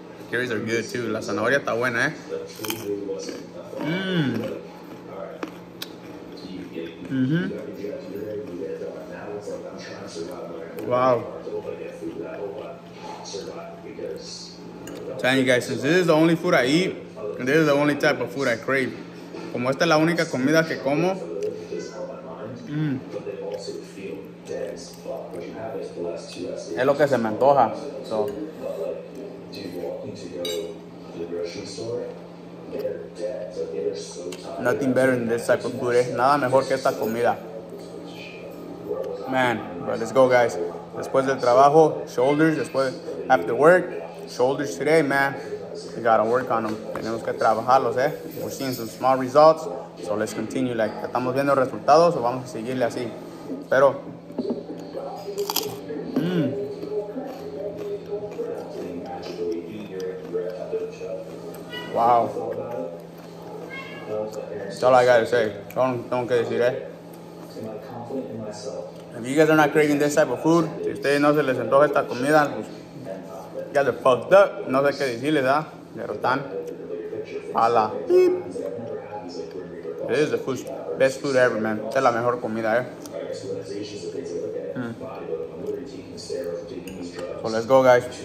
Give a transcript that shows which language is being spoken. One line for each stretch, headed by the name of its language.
English: Carrots are good too.
Spanish: La zanahoria está buena,
English: Wow. I'm telling you guys, since this is the only food I eat, and this is the only type of food I crave.
Spanish: Como esta es la única comida que como. Es lo que se me antoja.
English: Nothing better than this type of food.
Spanish: Nada mejor que esta comida.
English: Man, bro, let's go, guys.
Spanish: Después del trabajo,
English: shoulders. Después, after work, shoulders today, man. We gotta work on them.
Spanish: Tenemos que trabajarlos,
English: We're seeing some small results. So let's continue.
Spanish: Estamos viendo resultados o vamos a seguirle así. Pero. Wow.
English: That's all I gotta say.
Spanish: Tengo que decir,
English: If you guys are not craving this type of food,
Spanish: si ustedes no se les antoja esta comida, pues, ya se
English: fucked up.
Spanish: No sé qué decirles, Pero están a la beep.
English: This is the food, best food ever, man.
Spanish: Esta es la mejor comida,
English: So let's go, guys.